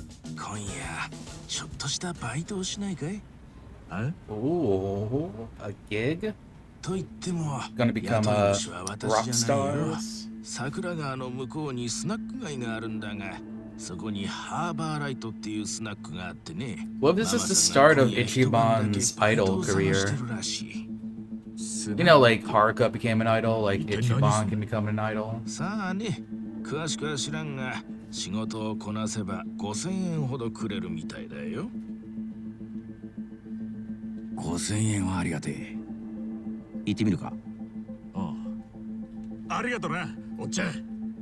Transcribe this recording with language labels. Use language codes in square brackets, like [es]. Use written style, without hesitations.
[ja] 今夜、ちょっとしたバイトをしないかい？あ？ [en] おお、a gig？ [ja] と言っても、 [en] gonna become a rock star。 [ja] 桜川の向こうにスナック街があるんだが。そこにハーバーライトっていうスナックがあってね。 [en] Well, this is the start of Ichiban's idol career. You know, like Haruka became an idol, like Ichiban can become an idol. [ja] さあね、詳しくは知らんが、仕事をこなせば5000円ほどくれるみたいだよ。 5000円はありがてえ。行ってみるか。ああ。ありがとうな、おっちゃん。